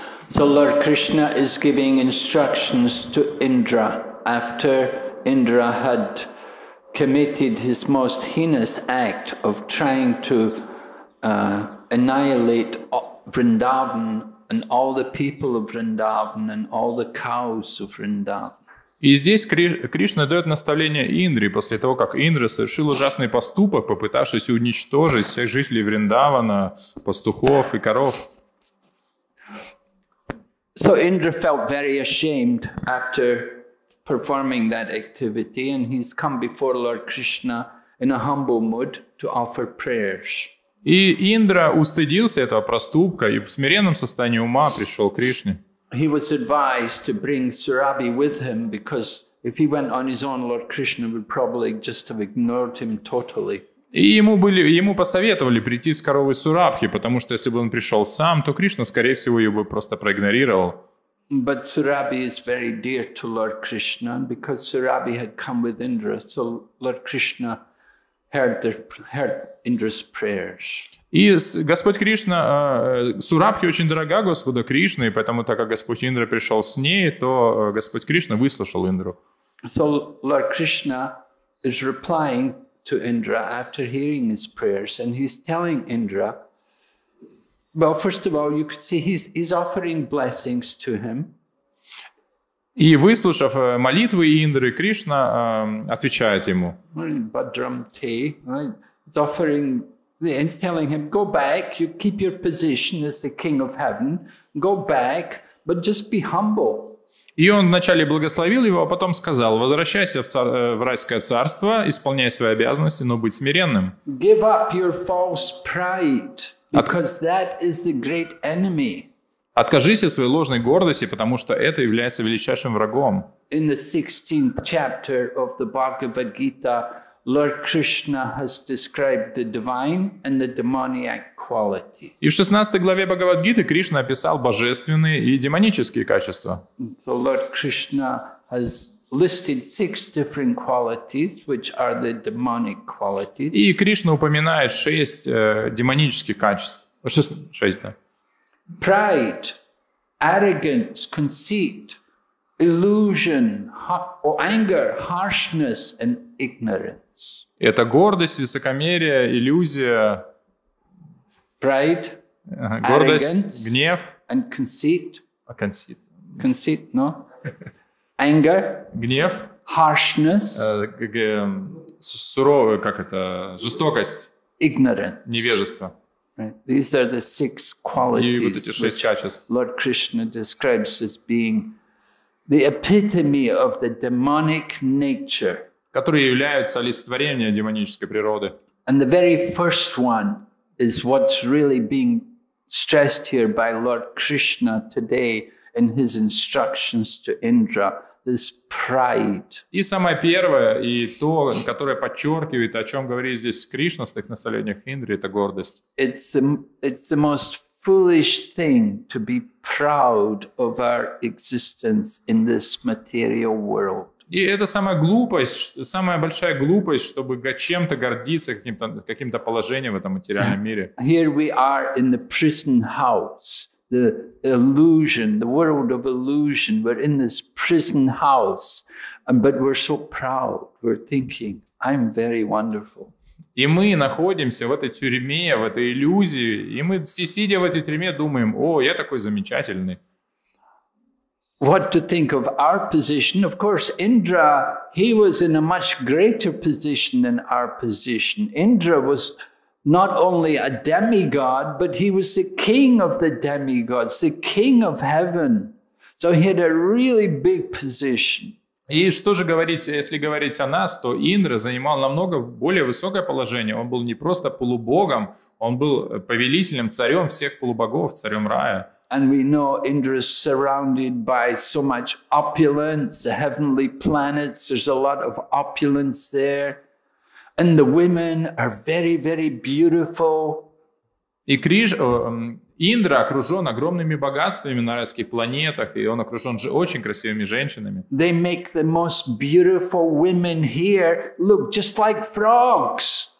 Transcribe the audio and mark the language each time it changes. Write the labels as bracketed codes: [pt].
[en] So Lord Krishna is giving instructions to Indra after Indra had committed his most heinous act of trying to annihilate Vrindavan and all the people of Vrindavan and all the cows of Vrindavan. [ru] И здесь Кришна дает наставление Индре после того, как Индра совершил ужасный поступок, попытавшись уничтожить всех жителей Вриндавана, пастухов и коров. [en] So Indra felt very ashamed after performing that activity, and he's come before Lord Krishna in a humble mood to offer prayers. [ru] И Индра устыдился этого проступка и в смиренном состоянии ума пришел к Кришне. [en] He was advised to bring Surabhi with him because if he went on his own, Lord Krishna would probably just have ignored him totally. [ru] И ему посоветовали прийти с коровой Сурабхи, потому что если бы он пришел сам, то Кришна, скорее всего, ее бы просто проигнорировал. [en] But Surabhi is very dear to Lord Krishna, because Surabhi had come with Indra, so Lord Krishna heard Indra's prayers. [ru] И Господь Кришна, Сурабхи очень дорога Господу Кришне, и поэтому, так как Господь Индра пришел с ней, то Господь Кришна выслушал Индру. [en] So Lord Krishna is replying to Indra after hearing his prayers, and he's telling Indra, well, first of all, you could see he's offering blessings to him. [ru] И выслушав молитвы Индры, Кришна отвечает ему. [sa] Бадрам ти, [en] he's offering, he's telling him, go back, you keep your position as the king of heaven, go back, but just be humble. [ru] И он вначале благословил его, а потом сказал, возвращайся в райское царство, исполняй свои обязанности, но будь смиренным. [en] Give up your false pride, because that is the great enemy. [ru] Откажись от своей ложной гордости, потому что это является величайшим врагом. [en] In the 16th chapter of the Bhagavad Gita, Lord Krishna has described the divine and the demoniac qualities. [ru] И в 16 главе Бхагавад-гиты Кришна описал божественные и демонические качества. [en] So Lord Krishna has listed six different qualities, which are the demonic qualities. [ru] И Кришна упоминает шесть демонических качеств. Шесть, да. [en] Pride, arrogance, conceit, illusion, or anger, harshness, and ignorance. [ru] Это гордость, высокомерие, иллюзия, [en] pride, [ru] гордость, гнев, [en] and conceit. [ru] А conceit. [en] Conceit, no? Anger, [ru] гнев, [en] harshness, [ru] суровое, как это, жестокость, [en] ignorance. [ru] Невежество. [en] Right. These are the six qualities, [ru] и вот эти шесть качеств. [en] Lord Krishna describes as being the epitome of the demonic nature, [ru] которые являются олицетворением демонической природы. [en] And the very first one is what's really being stressed here by Lord Krishna today in his instructions to Indra, this pride. [ru] И самое первое, и то, которое подчеркивает, о чем говорит здесь Кришна в своих наставлениях Индре, это гордость. [en] It's the most foolish thing to be proud of our existence in this material world. [ru] И это самая глупость, самая большая глупость, чтобы чем-то гордиться, каким-то положением в этом материальном мире. [en] Here we are in the prison house, the illusion, the world of illusion. We're in this prison house, but we're so proud. We're thinking, I'm very wonderful. [ru] И мы находимся в этой тюрьме, в этой иллюзии, и мы, сидя в этой тюрьме, думаем, о, я такой замечательный. [en] What to think of our position? Of course, Indra, he was in a much greater position than our position. Indra was not only a demigod, but he was the king of the demigods, the king of heaven. So he had a really big position. [ru] И что же говорить, если говорить о нас, то Индра занимал намного более высокое положение. Он был не просто полубогом, он был повелителем, царем всех полубогов, царем рая. [en] And we know Indra is surrounded by so much opulence, the heavenly planets, there's a lot of opulence there. And the women are very, very beautiful. [ru] И Индра окружен огромными богатствами на райских планетах, и он окружен же очень красивыми женщинами. [en] They make the most beautiful women here look just like frogs.